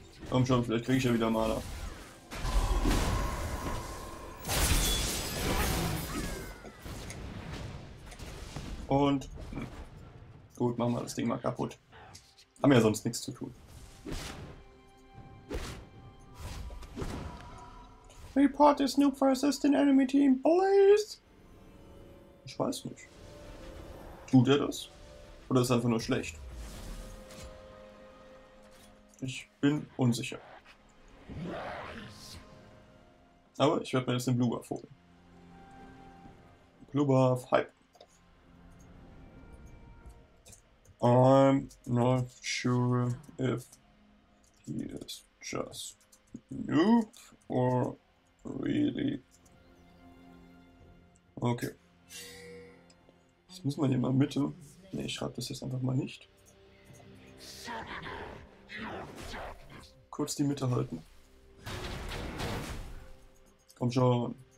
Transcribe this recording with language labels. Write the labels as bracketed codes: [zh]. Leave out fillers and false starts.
[de] Komm schon, vielleicht kriege ich ja wieder Mana. Und gut, machen wir das Ding mal kaputt. Haben ja sonst nichts zu tun. [en] Report the Snoop for assisting enemy team, please! [de] Ich weiß nicht. Tut er das? Oder ist er einfach nur schlecht? Ich bin unsicher. Aber ich werde mir jetzt den Blubber holen. Blubber, Hype. [en] I'm not sure if he is just noob or really. Okay. [de] Jetzt muss man hier mal Mitte. Ne, ich schreibe das jetzt einfach mal nicht. Kurz die Mitte halten. Komm schon.